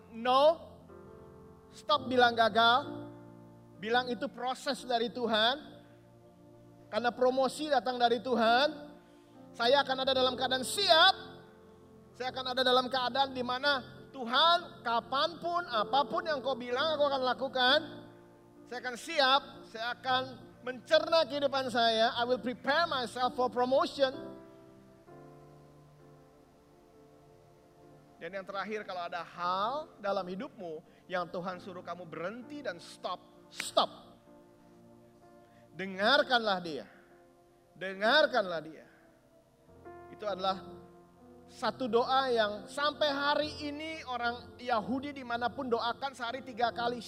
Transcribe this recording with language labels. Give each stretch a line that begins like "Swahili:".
Indonesian: No, stop bilang gagal. Bilang itu proses dari Tuhan. Karena promosi datang dari Tuhan. Saya akan ada dalam keadaan siap. Saya akan ada dalam keadaan di mana Tuhan, kapanpun, apapun yang kau bilang aku akan lakukan, saya akan siap, saya akan mencerna kehidupan saya.
English: I will prepare myself for promotion.
Indonesian: Dan yang terakhir, kalau ada hal dalam hidupmu yang Tuhan suruh kamu berhenti dan stop, stop. Dengarkanlah dia. Dengarkanlah dia. Itu adalah satu doa yang sampai hari ini orang Yahudi dimanapun doakan sehari 3 kali.